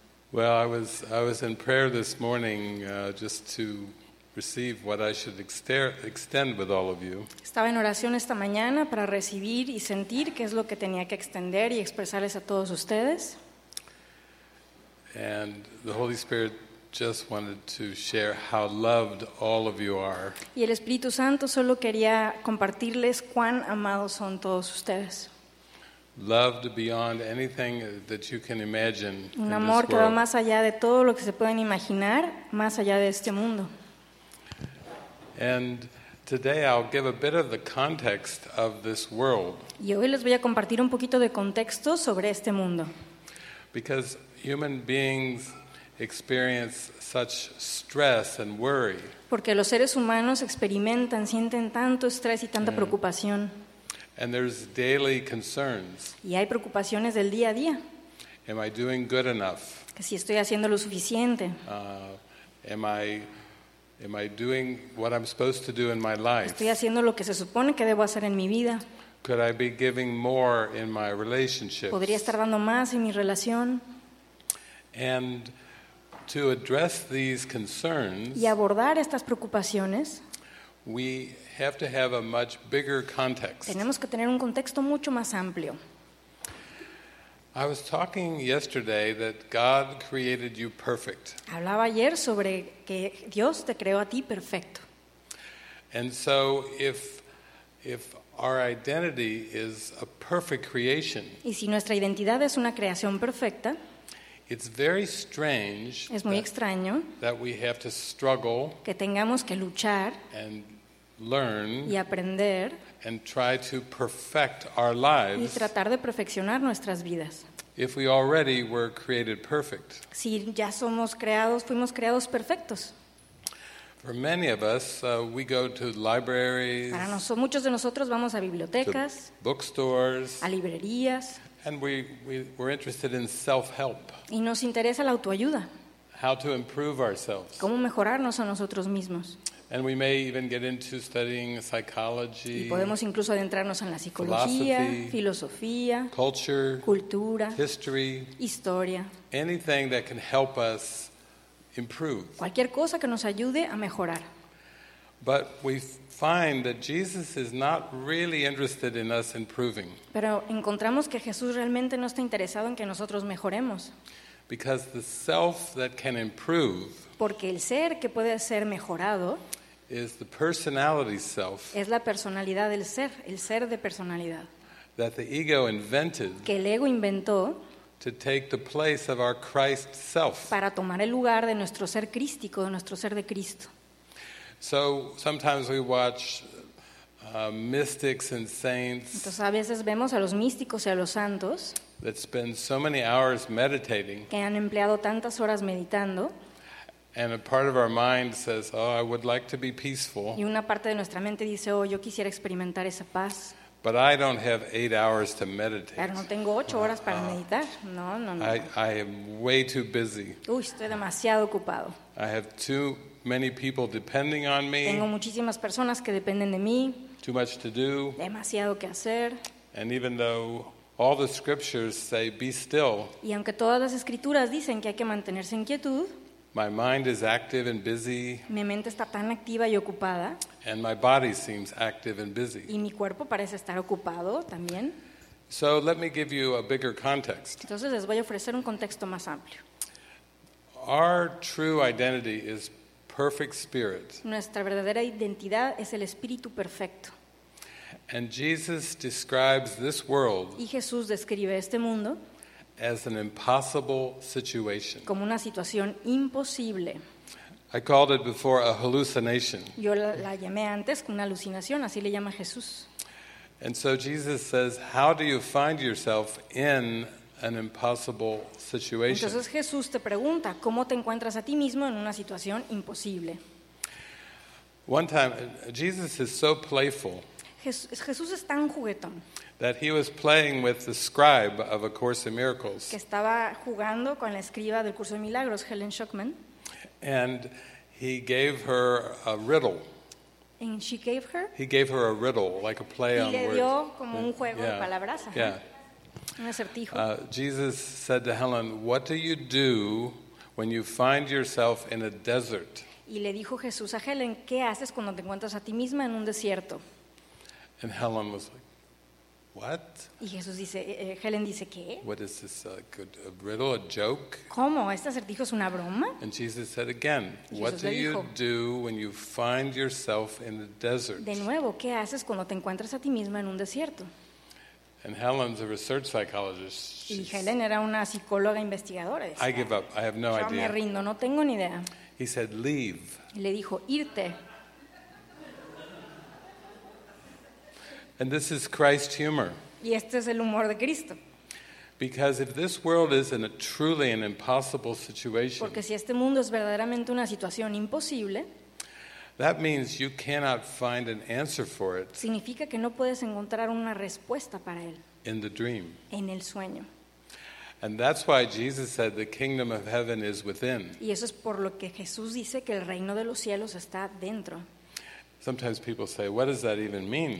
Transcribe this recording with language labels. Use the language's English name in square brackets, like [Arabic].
[English] Well, I was in prayer this morning just to receive what I should extend with all of you. [Spanish] Estaba en oración esta mañana para recibir y sentir qué es lo que tenía que extender y expresarles a todos ustedes. [English] And the Holy Spirit just wanted to share how loved all of you are. [Spanish] Y el Espíritu Santo solo quería compartirles cuán amados son todos ustedes. [English] Loved beyond anything that you can imagine. [Spanish] Un amor que va más allá de todo lo que se pueden imaginar, más allá de este mundo. [English] And today I'll give a bit of the context of this world. [Spanish] Y hoy les voy a compartir un poquito de contexto sobre este mundo. [English] Because human beings experience such stress and worry. [Spanish] Porque los seres humanos experimentan, sienten tanto estrés y tanta preocupación. [English] And there's daily concerns. [Spanish] Y hay preocupaciones del día a día. [English] Am I doing good enough? [Spanish] ¿Que si estoy haciendo lo suficiente? [English] Am I doing what I'm supposed to do in my life? [Spanish] ¿Estoy haciendo lo que se supone que debo hacer en mi vida? [English] Could I be giving more in my relationships? [Spanish] ¿Podría estar dando más en mi relación? [English] And to address these concerns, [Spanish] y abordar estas preocupaciones, [English] we have to have a much bigger context. [Spanish] Tenemos que tener un contexto mucho más amplio. [English] I was talking yesterday that God created you perfect. [Spanish] Hablaba ayer sobre que Dios te creó a ti perfecto. [English] And so if our identity is a perfect creation, [Spanish] y si nuestra identidad es una creación perfecta, [English] it's very strange, [Spanish] es muy extraño, [English] that we have to struggle, [Spanish] que tengamos que luchar, [English] and learn, [Spanish] y aprender, [English] and try to perfect our lives, [Spanish] y tratar de perfeccionar nuestras vidas, [English] if we already were created perfect. [Spanish] Si ya somos creados, fuimos creados perfectos. [English] For many of us, we go to libraries, [Spanish] para muchos de nosotros vamos a bibliotecas, [English] to bookstores, [Spanish] a librerías, [English] and we're interested in self-help. [Spanish] Y nos interesa la autoayuda. [English] How to improve ourselves. [Spanish] Cómo mejorarnos a nosotros mismos. [English] And we may even get into studying psychology, [Spanish] y podemos incluso adentrarnos en la psicología, filosofía, [English] culture, [Spanish] cultura, [English] history, [Spanish] historia. [English] Anything that can help us improve. [Spanish] Cualquier cosa que nos ayude a mejorar. [English] But we find that Jesus is not really interested in us improving. [Spanish] Pero encontramos que Jesús realmente no está interesado en que nosotros mejoremos. [English] Because the self that can improve, [Spanish] porque el ser que puede ser mejorado, [English] is the personality self, [Spanish] es la personalidad del ser, el ser de personalidad, [English] that the ego invented, [Spanish] que el ego inventó, [English] to take the place of our Christ self, [Spanish] para tomar el lugar de nuestro ser crístico, de nuestro ser de Cristo. [English] So sometimes we watch mystics and saints. [Spanish] Entonces a veces vemos a los místicos y a los santos. [English] That spend so many hours meditating. [Spanish] Que han empleado tantas horas meditando. [English] And a part of our mind says, "Oh, I would like to be peaceful." [Spanish] Y una parte de nuestra mente dice, "Oh, yo quisiera experimentar esa paz." [English] But I don't have 8 hours to meditate. [Spanish] Pero no tengo 8 horas para meditar. No, no, no. [English] I am way too busy. [Spanish] Uy, estoy demasiado ocupado. [English] I have too many people depending on me. [Spanish] Tengo muchísimas personas que dependen de mí. [English] Too much to do. [Spanish] Demasiado que hacer. [English] And even though all the scriptures say be still, [Spanish] y aunque todas las escrituras dicen que hay que mantenerse en quietud, [English] my mind is active and busy. [Spanish] Mi mente está tan activa y ocupada. [English] And my body seems active and busy. [Spanish] Y mi cuerpo parece estar ocupado también. [English] So let me give you a bigger context. [Spanish] Entonces les voy a ofrecer un contexto más amplio. [English] Our true identity is perfect spirit. [Spanish] Nuestra verdadera identidad es el espíritu perfecto. [English] And Jesus describes this world, [Spanish] y Jesús describe este mundo, [English] as an impossible situation. [Spanish] Como una situación imposible. [English] I called it before a hallucination. [Spanish] Yo la llamé antes una alucinación, así le llama Jesús. [English] And so Jesus says, how do you find yourself in an impossible situation? [Spanish] Entonces Jesús te pregunta, ¿cómo te encuentras a ti mismo en una situación imposible? [English] One time, Jesus is so playful. [Spanish] Jesús es tan juguetón. [English] That he was playing with the scribe of A Course in Miracles. [Spanish] Que estaba jugando con la escriba del Curso de Milagros, Helen Schuckman. [English] And He gave her a riddle. And she gave her? He gave her a riddle, like a play [Spanish] y [English] on words. [Spanish] Y le dio como un juego de palabras. [English] Yeah. [Spanish] Un acertijo. [English] Jesus said to Helen, "What do you do when you find yourself in a desert?" [Spanish] Y le dijo Jesús a Helen, "¿Qué haces cuando te encuentras a ti misma en un desierto?" [English] And Helen was like, "What?" [Spanish] Y Jesús dice, Helen dice, ¿qué? [English] What is this, a riddle, a joke? [Spanish] ¿Cómo? ¿Este acertijo es una broma? [English] And Jesus said again, "What do you do when you find yourself in the desert?" [Spanish] De nuevo, ¿qué haces cuando te encuentras a ti misma en un desierto? [English] And Helen's a research psychologist. [Spanish] Y Helen era una psicóloga investigadora. [English] I give up. I have no idea. [Spanish] Yo me rindo, no tengo ni idea. [English] He said, "Leave." [Spanish] Y le dijo, irte. [English] And this is Christ's humor. [Spanish] Y este es el humor de Cristo. [English] Because if this world is in a truly an impossible situation, [Spanish] porque si este mundo es verdaderamente una situación imposible, [English] that means you cannot find an answer for it. [Spanish] Significa que no puedes encontrar una respuesta para él. [English] In the dream. [Spanish] En el sueño. [English] And that's why Jesus said the kingdom of heaven is within. [Spanish] Y eso es por lo que Jesús dice que el reino de los cielos está dentro. [English] Sometimes people say, "What does that even mean?"